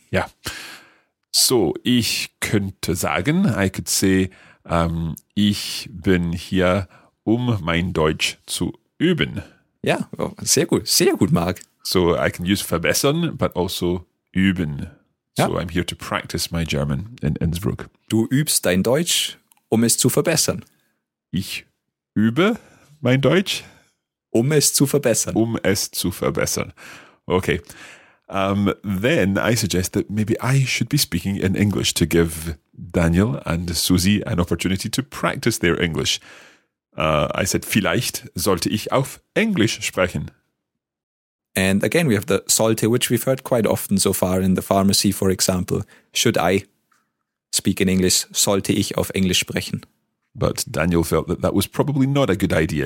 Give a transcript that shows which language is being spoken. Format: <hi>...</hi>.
<de>Ja. So, ich könnte sagen,</de> <en>I could say,</en> <de>ich bin hier, um mein Deutsch zu üben. Ja, sehr gut. Sehr gut, Marc.</de> <en>So, I can use verbessern, but also üben. Ja. So, I'm here to practice my German in Innsbruck.</en> <de>Du übst dein Deutsch, um es zu verbessern. Ich übe mein Deutsch. Um es zu verbessern. Um es zu verbessern. Okay.</de> <en>Then I suggest that maybe I should be speaking in English to give Daniel and Susie an opportunity to practice their English. I said,</en> <de>vielleicht sollte ich auf Englisch sprechen.</de> <en>And again, we have the sollte, which we've heard quite often so far in the pharmacy, for example. Should I speak in English?</en> <de>Sollte ich auf Englisch sprechen?</de> <en>But Daniel felt that that was probably not a good idea.</en>